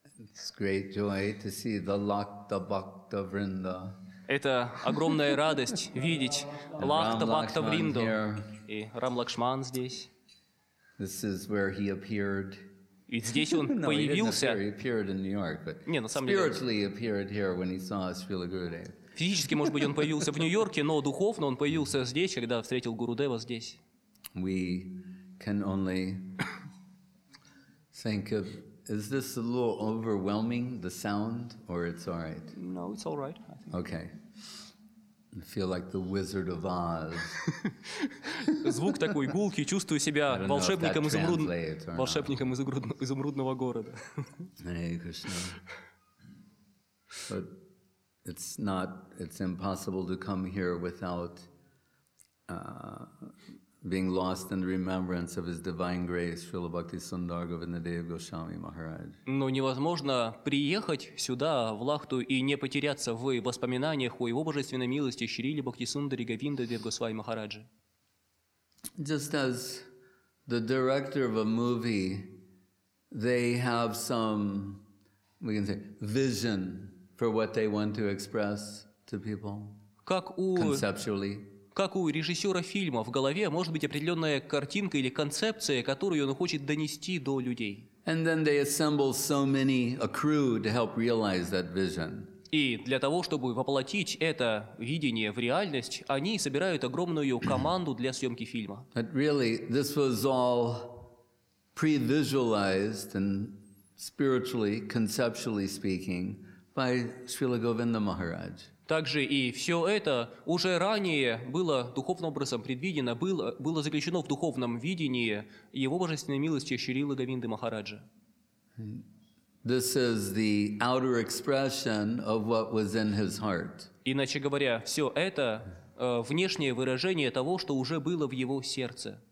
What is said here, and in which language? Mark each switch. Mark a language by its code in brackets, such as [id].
[en] It's great joy to see the Lakta Bhakta Vrinda. [ru] Это огромная радость видеть Лакта Бхакта Вринду и Рам Лакшман здесь. [en] This is where he appeared. [ru] Ведь здесь он появился. [en] He appeared in New York, but [ru] не, на самом деле. [en] Spiritually appeared here when he saw Srila Gurudev. [ru] Физически, может быть, он появился в Нью-Йорке, но духовно он появился здесь, когда встретил Гурудева здесь. [en] We can only think of. Is this a little overwhelming, the sound, or it's all right? No, it's all right, I think. Okay. I feel like the Wizard of Oz. [ru] Звук такой гулкий, чувствую себя волшебником изумрудного города. [en] Hare Krishna. But it's impossible to come here without being lost in the remembrance of his divine grace, Srila Bhaktisundara Govindadeva Goswami Maharaj. [ru] Но невозможно приехать сюда, в Лахту, и не потеряться в воспоминаниях о его божественной милости Шрили Бхактисундаре Говиндадеве Госвами Махараджи. [en] Just as the director of a movie, they have some, we can say, vision for what they want to express to people, conceptually. [ru] Как у режиссера фильма в голове может быть определенная картинка или концепция, которую он хочет донести до людей. [en] And then they assemble so many, a crew to help realize that vision. [ru] И для того, чтобы воплотить это видение в реальность, они собирают огромную команду для съемки фильма. [en] But really, this was all pre-visualized and spiritually, conceptually speaking, by Srila Govinda Maharaj. [ru] Также и все это уже ранее было духовным образом предвидено, было заключено в духовном видении его божественной милости Шрилы Говинды Махараджа. [en] This is the outer expression of what was in his heart. [ru] Иначе говоря, все это внешнее выражение того, что уже было в его сердце.